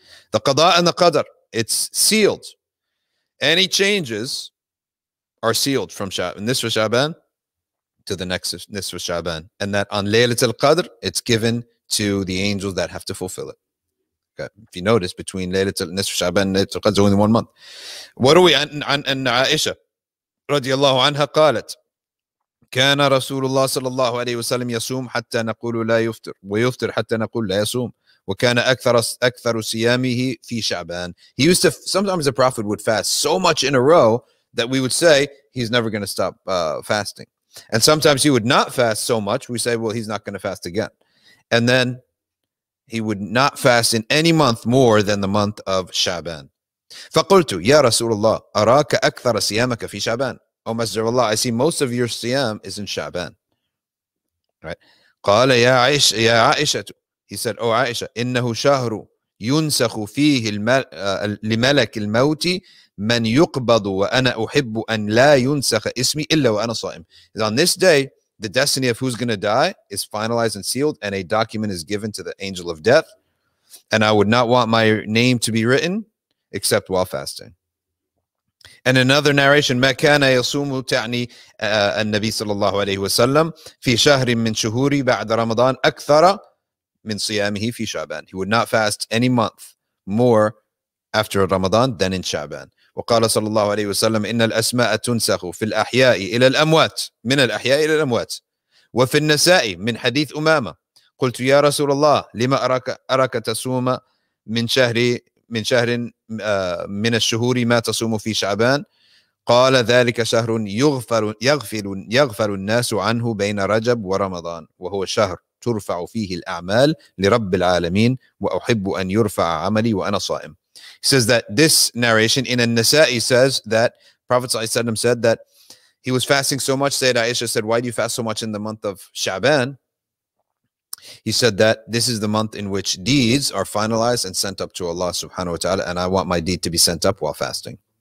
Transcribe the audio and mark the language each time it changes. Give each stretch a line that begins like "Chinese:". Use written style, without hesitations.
English: The qada and the qadr, it's sealed. Any changes are sealed from Sha'ban, Nisf Sha'ban to the next Nisf Sha'ban. And that on Laylatul Qadr, it's given to the angels that have to fulfill it. If you notice, between Laylatul Nisf Sha'ban and Laylatul Qadr, only 1 month. What are we on
Arabic: Aisha رضي الله عنها قالت كان رسول الله صلى الله عليه وسلم يصوم حتى نقول لا يفطر ويفطر حتى نقول لا يصوم وكان أكثر صيامه في شعبان.
English: He used to, sometimes the prophet would fast so much in a row that we would say he's never going to stop fasting. And sometimes he would not fast so much, we say, well, he's not going to fast again. And then he would not fast in any month more than the month of شعبان.
Arabic: فقلت يا رسول الله أراك أكثر صيامك في شعبان.
English: Oh Messenger of Allah, I see most of your siyam is in Sha'ban. Right?
Arabic: قال يا عائشة.
English: He said, Oh Aisha,
Arabic: إنه شهر ينسخ فيه لملك الموت من يقبض وأنا أحب أن لا ينسخ اسمي إلا وأنا صائم.
English: On this day, the destiny of who's going to die is finalized and sealed, and a document is given to the angel of death. And I would not want my name to be written except while fasting. And another narration,
Arabic: مَا كَانَ يَصُومُ تَعْنِي النَّبِي صَلَّى اللَّهُ عَلَيْهُ وَسَلَّمُ فِي شَهْرٍ مِّن شُهُورِ بَعْدَ رَمَضَانَ أَكْثَرَ مِّن صِيَامِهِ فِي شَعْبَانَ.
English: He would not fast any month more after Ramadan than in Sha'ban.
Arabic: وَقَالَ صَلَّى اللَّهُ عَلَيْهُ وَسَلَّمُ إِنَّ الْأَسْمَاءَ تُنْسَخُ فِي الْأَحْيَاءِ إِلَى الْأَمْوَاتِ مِنَ الْأَحْيَاءِ إِلَى الْأَمْوَاتِ وَفِي النَّسَاءِ مِنْ حَدِيثِ أُمَامَةَ قُلْتُ يَا رَسُولَ اللَّهِ لِمَ أَرَاكَ تَصُومُ من شهر من الشهور ما تصوم في شعبان قال ذلك شهر يغفل الناس عنه بين رجب ورمضان وهو شهر ترفع فيه الأعمال لرب العالمين وأحب أن يرفع عملي وأنا صائم.
English: He says that this narration in An-Nasa'i says that Prophet صلى الله عليه وسلم said that he was fasting so much. Sayyidah Aisha said, why do you fast so much in the month of Sha'ban? He said that this is the month in which deeds are finalized and sent up to Allah subhanahu wa ta'ala, and I want my deed to be sent up while fasting.